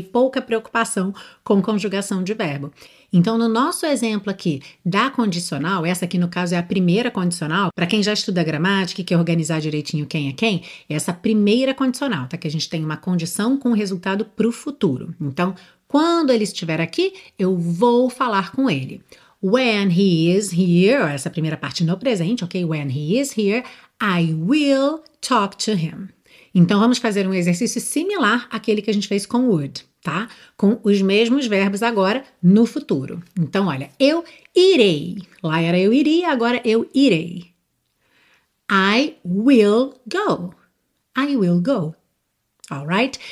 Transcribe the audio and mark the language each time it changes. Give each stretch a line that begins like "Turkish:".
Portuguese: Pouca preocupação com conjugação de verbo. Então, no nosso exemplo aqui da condicional, essa aqui no caso é a primeira condicional, para quem já estuda gramática e quer organizar direitinho quem é quem, é essa primeira condicional, tá? Que a gente tem uma condição com resultado para o futuro. Então, quando ele estiver aqui, eu vou falar com ele.
English: When he is here,
Portuguese: essa primeira parte no presente, ok?
English: When he is here, I will talk to him.
Portuguese: Então vamos fazer um exercício similar àquele que a gente fez com would, tá? Com os mesmos verbos agora no futuro. Então olha, eu irei. Lá era eu iria, agora eu irei.
English: I will go. I will go. Alright?